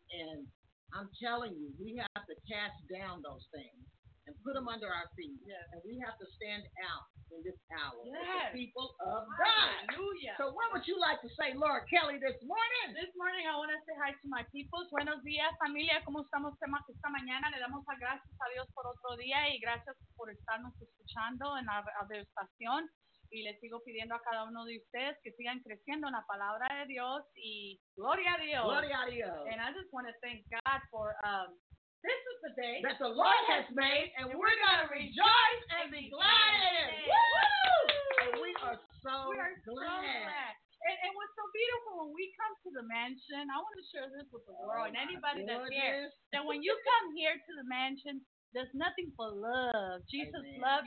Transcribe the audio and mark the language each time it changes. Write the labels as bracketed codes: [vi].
[en] And I'm telling you, we have to cast down those things and put them under our feet. Yes. And we have to stand out in this hour with the people of God. Hallelujah. So what would you like to say, Laura Kelly, this morning? This morning, I want to say hi to my people. [es] Buenos días, familia. ¿Cómo estamos esta mañana? Le damos gracias a Dios por otro día y gracias por estarnos escuchando en la estación. Y le sigo pidiendo a cada uno de ustedes que sigan creciendo en la palabra de Dios y gloria a Dios. Gloria a Dios. [en] And I just want to thank God for this is the day that the Lord has made, and we're going to rejoice and be glad in it. Woo! And we are so glad. And what's so beautiful, when we come to the mansion, I want to share this with the world and anybody that's here, that when you come here to the mansion, there's nothing but love. Jesus love.